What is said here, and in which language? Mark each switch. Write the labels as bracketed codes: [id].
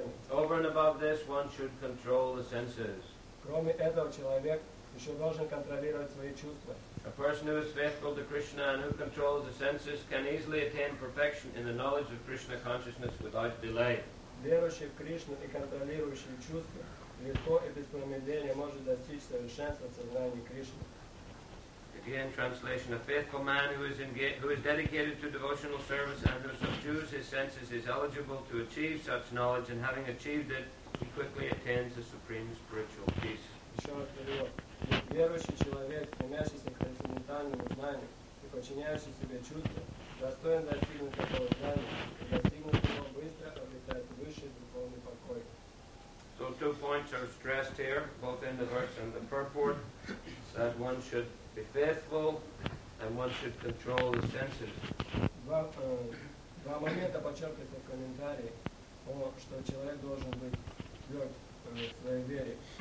[en] Over and above this, one should control the senses. A person who is faithful to Krishna and who controls the senses can easily attain perfection in the knowledge of Krishna consciousness without delay. [ru] Верующий в Кришну и контролирующий чувства легко и без промедления может достичь совершенства сознания Кришны. [en] Again, translation: a faithful man who is dedicated to devotional service and who subdues his senses is eligible to achieve such knowledge, and having achieved it, he quickly attains the supreme spiritual peace. [ru] Верующий человек, стремящийся к трансцендентальному знанию и подчиняющий себе чувства, достоин достигнуть такого знания, и достигнув его, быстро обретает высший духовный покой. [en] So two points are stressed here, both in the verse and the purport, that one should be faithful and one should control the senses. [ru] Два момента подчеркиваются в комментарии, что человек должен быть тверд в своей вере.